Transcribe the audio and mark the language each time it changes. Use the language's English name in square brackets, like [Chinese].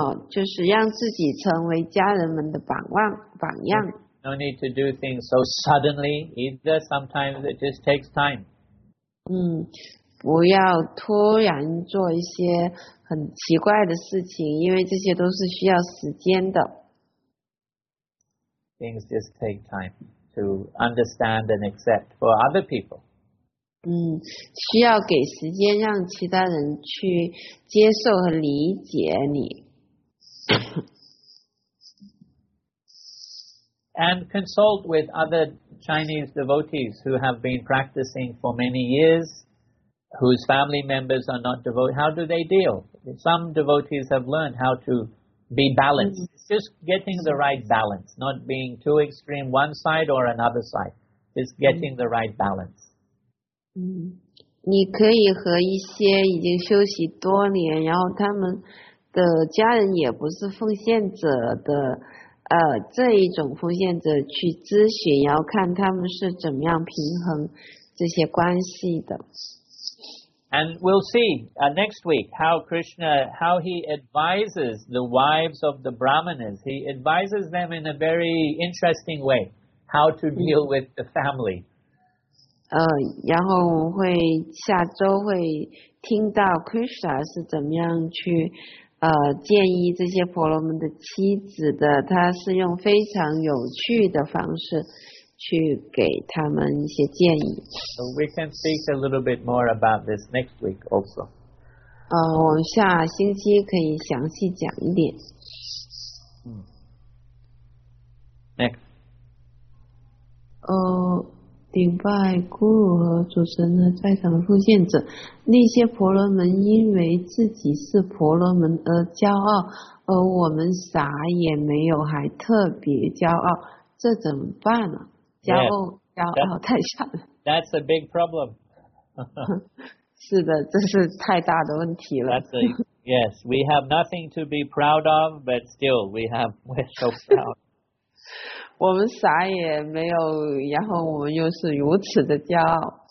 [Chinese] 就是让自己成为家人们的榜样。 [English] No need to do things so suddenly either. Sometimes it just takes time. [Chinese] 不要突然做一些很奇怪的事情，因为这些都是需要时间的。 [English] Things just take time to understand and accept for other people. [Chinese] 需要给时间让其他人去接受和理解你。 [English] And consult with other Chinese devotees who have been practicing for many years, whose family members are not devotees. How do they deal? Some devotees have learned how to be balanced. It's just getting the right balance, not being too extreme one side or another side. Just getting the right balance. [Chinese] 你可以和一些已经修习多年，然后他们的家人也不是奉献者的这一种奉献者去咨询，要看他们是怎么样平衡这些关系的。 [English] And we'll see next week how he advises the wives of the brahmanas. He advises them in a very interesting way how to deal with the family. [Chinese] 然后我们会下周会听到 Krishna 是怎么样去。建议这些婆罗门的妻子的，他是用非常有趣的方式去给他们一些建议。 [English] So we can speak a little bit more about this next week also. [Chinese] 我们下星期可以详细讲一点。 [English] Next. [Chinese] 顶拜咕噜和主持人的在场的奉献者，那些婆罗门因为自己是婆罗门而骄傲，而我们啥也没有，还特别骄傲，这怎么办呢？骄傲太惨了。 [English] That's a big problem. [Chinese] 是的，这是太大的问题了。 [English] Yes, we have nothing to be proud of, but still we're so proud. [Chinese] 我们啥也没有，然后我们又是如此的骄傲。